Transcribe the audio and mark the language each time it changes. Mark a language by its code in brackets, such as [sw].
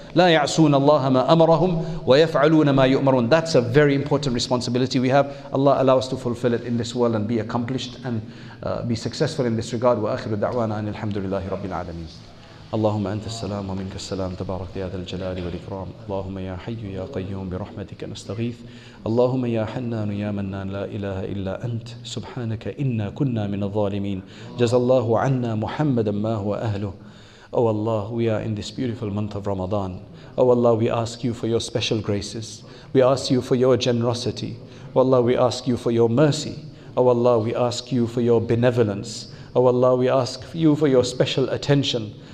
[ar] لا يعصون الله ما أمرهم ويفعلون ما يؤمرون. [en] That's a very important responsibility we have. Allah allow us to fulfill it in this world and be accomplished and be successful in this regard. [ar] وآخر دعوانا أن الحمد لله رب العالمين. اللهم أنت السلام ومنك السلام تبارك يا ذا الجلال والإكرام. اللهم يا حي يا قيوم برحمتك نستغيث. اللهم يا حنان يا منان لا إله إلا أنت سبحانك إنا كنا من الظالمين. جزى الله عنا محمدا ما هو أهله. [en] Oh Allah, we are in this beautiful month of Ramadan. Oh Allah, we ask you for your special graces. We ask you for your generosity. Oh Allah, we ask you for your mercy. Oh Allah, we ask you for your benevolence. Oh Allah, we ask you for your special attention.